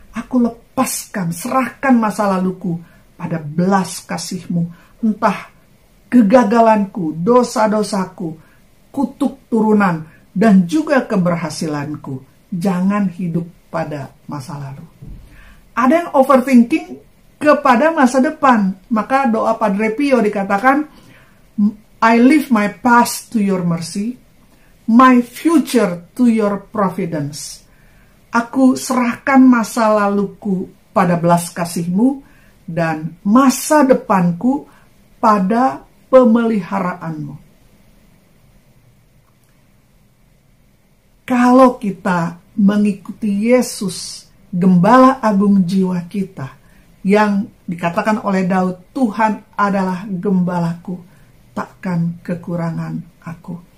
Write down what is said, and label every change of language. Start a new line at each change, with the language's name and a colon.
Indonesian: Aku lepaskan, serahkan masa laluku pada belas kasihmu. Entah kegagalanku, dosa-dosaku, kutuk turunan, dan juga keberhasilanku. Jangan hidup pada masa lalu. Ada yang overthinking kepada masa depan. Maka doa Padre Pio dikatakan,
English: I leave my past to your mercy, my future to your providence.
Indonesian: Aku serahkan masa laluku pada belas kasihmu, dan masa depanku pada pemeliharaanmu. Kalau kita mengikuti Yesus, gembala agung jiwa kita, yang dikatakan oleh Daud, Tuhan adalah gembalaku, takkan kekurangan aku.